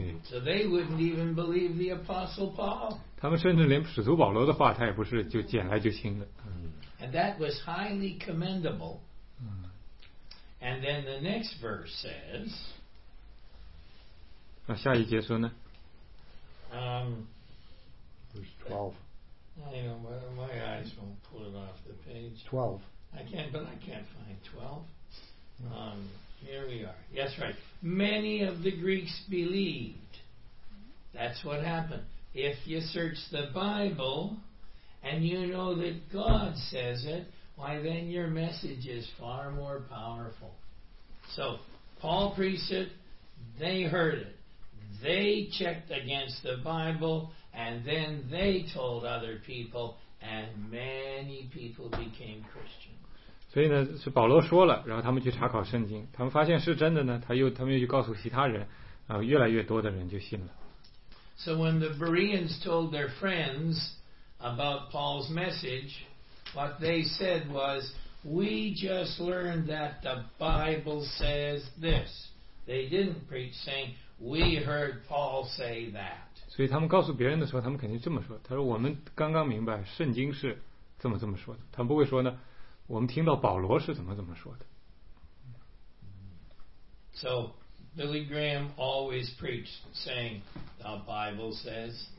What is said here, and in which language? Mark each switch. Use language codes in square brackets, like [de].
[en] So they wouldn't even believe the Apostle Paul [zh] 他们甚至连使徒保罗的话他也不是就捡来就行了 [en] And that was highly commendable And then the next verse says [zh] 那下一节说呢 [en] Verse 12 I know my, my eyes won't pull it off the page 12 I can't but I can't find 12 Here we are. Yes, right. Many of the Greeks believed. That's what happened. If you search the Bible and you know that God says it, why then your message is far more powerful. So, Paul preached it. They heard it. They checked against the Bible and then they told other people and many people became Christians. [zh] 所以呢是保罗说了然后他们去查考圣经他们发现是真的呢他们又去告诉其他人然后越来越多的人就信了 [en] So when the Bereans told their friends about Paul's message what they said was we just learned that the Bible says this they didn't preach saying we heard Paul say that [zh] 所以他们告诉别人的时候他们肯定这么说他说我们刚刚明白圣经是这么说的他们不会说呢我们听到保罗是怎么说的 [en] So Billy Graham always preached saying the Bible says